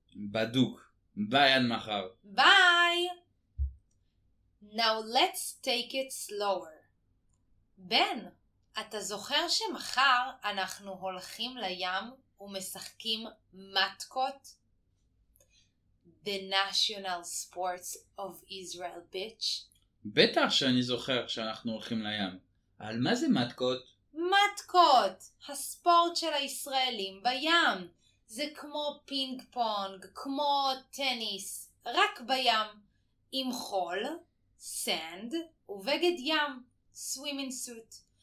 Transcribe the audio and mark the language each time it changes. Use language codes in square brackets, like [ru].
[he] בדוק. ביי עד מחר. ביי! [en] Now let's take it slower. [he] בן, אתה זוכר שמחר אנחנו הולכים לים ומשחקים מתקות? [en] The national sports of Israel, bitch. [he] בטח שאני זוכר שאנחנו הולכים לים. על מה זה מתקות? מתקות, הספורט של הישראלים בים. זה כמו פינג פונג, כמו טניס, רק בים. עם חול, סנד, ובגד ים, סווימינג סוט.